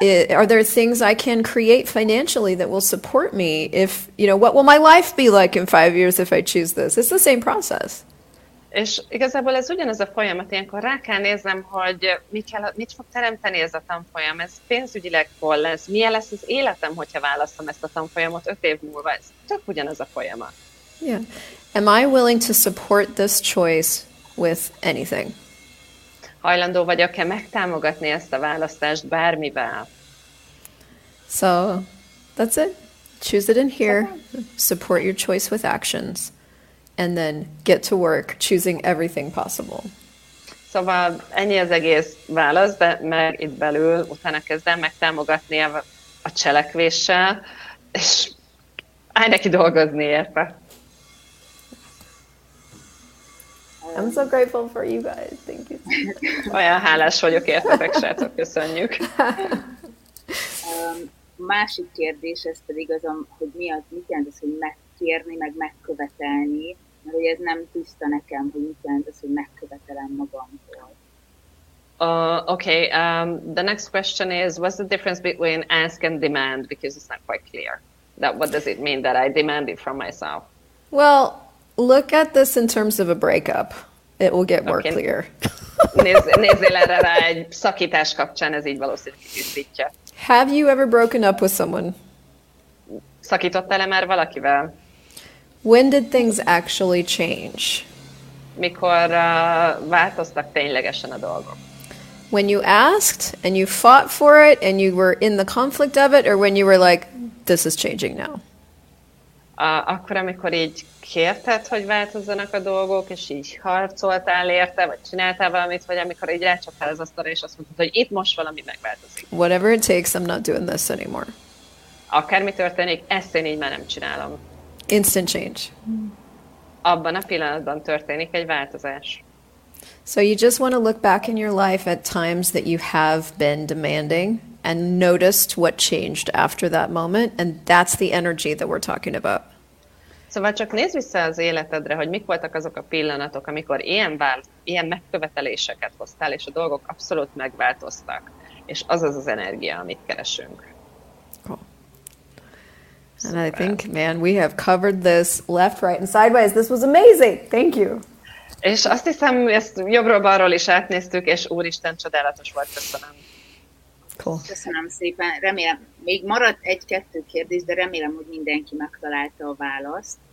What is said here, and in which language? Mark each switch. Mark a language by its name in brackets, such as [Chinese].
[English] Are there things I can create financially that will support me if, you know, what will my life be like in 5 years if I choose this? It's the same process. [Hungarian] És igazából ez ugyanaz a folyamat, ilyenkor rá kell néznem, hogy mit fog teremteni ez a tanfolyam, ez pénzügyileg hol lesz, milyen lesz az életem, hogyha választom ezt a tanfolyamot 5 év múlva, ez tök ugyanaz a folyamat. [English] Yeah. Am I willing to support this choice with anything. [Hungarian] Hajlandó vagyok-e megtámogatni ezt a választást bármivel? [English] So, that's it. Choose it in here. Okay. Support your choice with actions. And then get to work choosing everything possible. [Hungarian] Szóval ennyi az egész válasz, de meg itt belül utána kezdem megtámogatni a cselekvéssel, és állj neki dolgozni érte. [English] I'm so grateful for you guys. Thank you. [Hungarian] Olyan hálás vagyok értetek, srácok, köszönjük. Másik kérdés, ez pedig az, hogy mi az, mit jelent az, hogy megkérni, meg megkövetelni, mert hogy ez nem tiszta nekem, hogy mit jelent az, hogy megkövetelem magamtól. [English] The next question is, what's the difference between ask and demand? Because it's not quite clear. That what does it mean that I demand it from myself? Well, look at this in terms of a breakup. It will get more clear. [Hungarian] Nézzél erre rá egy szakítás kapcsán, ez így valószínűleg tisztítja. [English] Have you ever broken up with someone? [Hungarian] Szakítottál-e már valakivel? [English] When did things actually change? [Hungarian] Mikor változtak ténylegesen a dolgok? [English] When you asked and you fought for it and you were in the conflict of it, or when you were like, this is changing now? [Hungarian] Akkor, amikor így kérted, hogy változzanak a dolgok, és így harcoltál érte, vagy csináltál valamit, vagy amikor így rácsaptál az asztalra, és azt mondtad, hogy itt most valami megváltozik. [English] Whatever it takes, I'm not doing this anymore. [Hungarian] Akármi történik, ezt én így már nem csinálom. [English] Instant change. [Hungarian] Abban a pillanatban történik egy változás. [English] So you just want to look back in your life at times that you have been demanding and noticed what changed after that moment, and that's the energy that we're talking about. [Hungarian] Szóval csak nézz vissza az életedre, hogy mik voltak azok a pillanatok, amikor ilyen megköveteléseket hoztál, és a dolgok abszolút megváltoztak. És az az az energia, amit keresünk. [English] Cool. And I think, man, we have covered this left, right, and sideways. This was amazing! Thank you! [Hungarian] És azt hiszem, ezt jobbról-balról is átnéztük, és úristen, csodálatos volt, köszönöm. [English] Cool. [Hungarian] Köszönöm szépen. Remélem, még maradt egy-kettő kérdés, de remélem, hogy mindenki megtalálta a választ.